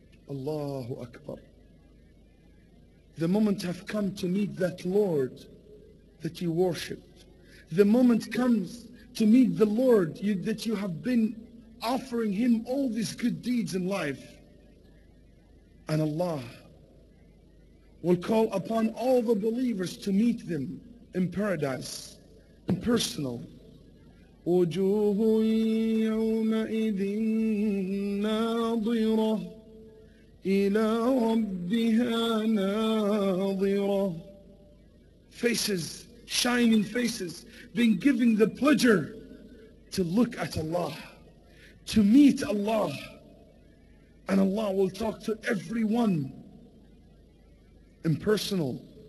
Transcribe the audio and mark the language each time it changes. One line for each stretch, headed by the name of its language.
English: Allahu Akbar. The moment have come to meet that Lord that you worshipped. The moment comes to meet the Lord that you have been offering him all these good deeds in life. And Allah will call upon all the believers to meet them in paradise, in personal.
Arabic: وجوه يومئذ ناظرة إلى ربها ناظرة.
English: Faces, shining faces, being given the pleasure to look at Allah, to meet Allah. And Allah will talk to everyone impersonal.